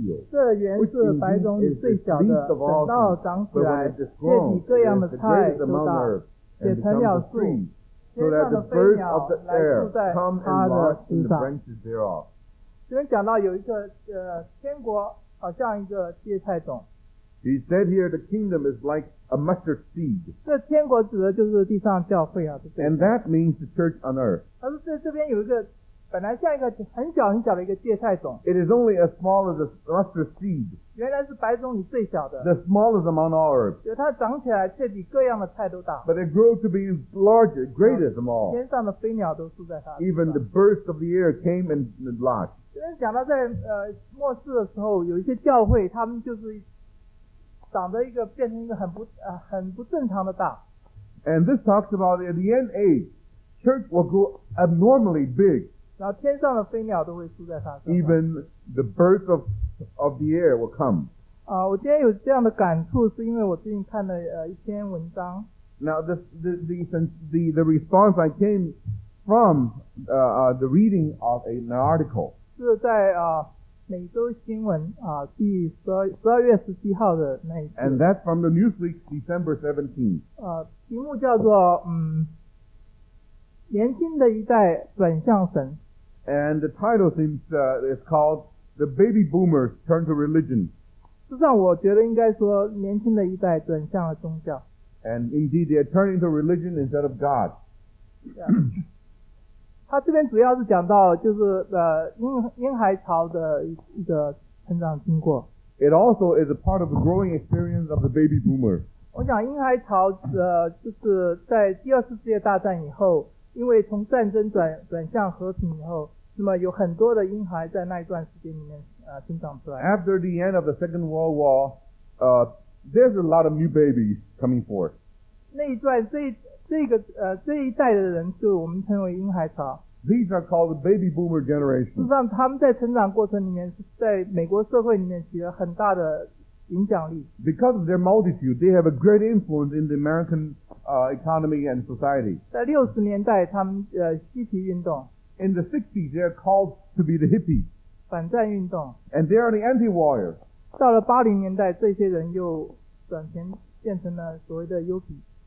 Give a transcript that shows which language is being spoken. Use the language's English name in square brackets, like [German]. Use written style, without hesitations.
[Chinese] 这原是百种里最小的，等到长起来，遍地各样的菜就大，且成了树，天上的飞鸟来住在它的树上。” 这边讲到有一个天国好像一个芥菜种。 [English] He said here, the kingdom is like a mustard seed. [Chinese] 这天国指的就是地上教会啊。 [English] And that means the church on earth. [Chinese] 它是这边有一个本来像一个很小很小的一个芥菜种。 [English] It is only as small as a mustard seed. [Chinese] 原来是百种里最小的。 [English] The smallest among all herbs. [Chinese] 就它长起来却比各样的菜都大。 [English] But it grew to be larger, greater than all. [Chinese] 天上的飞鸟都住在它。 [English] Even the birds of the air came and lodged. [Chinese] 这边讲到在末世的时候，有一些教会，他们就是。长得一个变成一个很不正常的大。 [English] And this talks about at the end age, church will grow abnormally big. [Chinese] 然后天上的飞鸟都会住在它上。 [English] Even the birds of the air will come. [Chinese] 我今天有这样的感触，是因为我最近看了一篇文章。 [English] Now the response I came from the reading of an article. [Chinese] 是在每周新闻第12月17号的那一次。 [English] And that's from the Newsweek, December 17. [Chinese] 题目叫做年轻的一代转向神。 [English] And the title seems is called The Baby Boomers Turn to Religion. [Chinese] 实际上我觉得应该说年轻的一代转向了宗教。 [English] And indeed they are turning to religion instead of God. Yeah. [Chinese] 他这边主要是讲到就是婴孩潮的一个成长经过。 [English] It also is a part of the growing experience of the baby boomer. [Chinese] 我想婴孩潮就是在第二次世界大战以后，因为从战争转向和平以后，那么有很多的婴孩在那一段时间里面成长出来。 [English] After the end of the Second World War, there's a lot of new babies coming forth. [Chinese] 那一段这一代的人就我们称为婴孩潮。 [English] These are called the baby boomer generation. [Chinese] 实际上他们在成长过程里面在美国社会里面起了很大的影响力。 [English] Because of their multitude, they have a great influence in the American economy and society. [Chinese] 在60年代, 他们, 嬉皮运动, [English] in the 60s, they are called to be the hippies. [Chinese] 反战运动, [English] and they are the anti-warriors. [Chinese] 到了80年代, 这些人又转变成了所谓的yuppie.